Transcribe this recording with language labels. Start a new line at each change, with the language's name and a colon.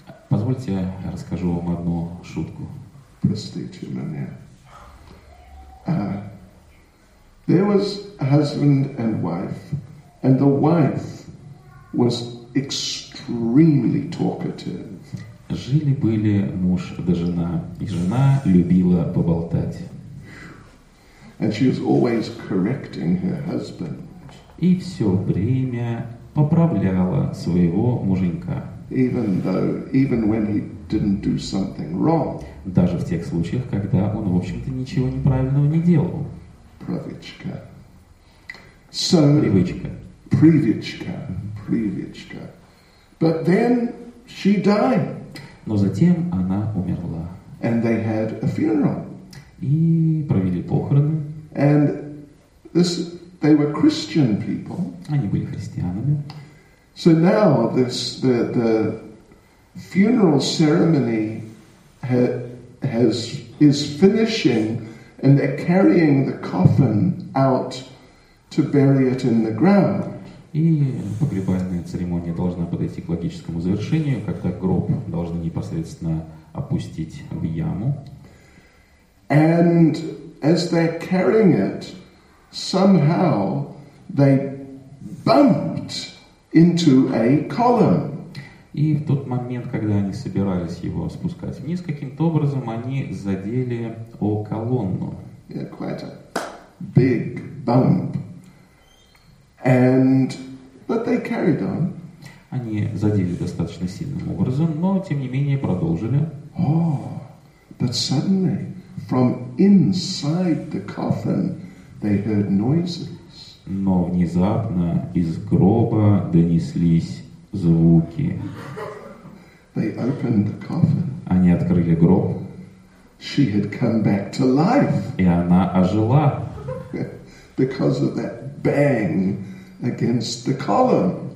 Russian: Позвольте, я расскажу вам одну шутку. Простите меня.
English: There was a husband and wife, and the wife was extremely talkative.
Russian: Жили были муж да жена, и жена любила поболтать.
English: And she was always correcting her husband.
Russian: И все время поправляла своего муженька.
English: Even though, even when he didn't do something wrong.
Russian: Даже в тех случаях, когда он, в общем-то, ничего неправильного не делал. Привычка. So, привычка. Привычка. Привычка.
English: But then she died.
Russian: Но затем она умерла.
English: And they had a funeral.
Russian: И провели похороны.
English: And this, they were Christian people.
Russian: Они были христианами.
English: So now this, the funeral ceremony is finishing, and they're carrying the coffin out to bury it in the ground.
Russian: И погребальная церемония должна подойти к логическому завершению, когда гроб должны непосредственно опустить в яму.
English: And as they're carrying it, somehow they bumped into a column.
Russian: И в тот момент, когда они собирались его спускать вниз, каким-то образом они задели о колонну.
English: Yeah, quite a big bump. And but they carried on.
Russian: Они задели достаточно сильным образом, но тем не менее продолжили.
English: Oh, but suddenly, from inside the coffin, they heard noises.
Russian: Но внезапно из гроба донеслись звуки.
English: They opened the coffin.
Russian: Они открыли гроб.
English: She had come back to life.
Russian: И она ожила.
English: Because of that bang against the column.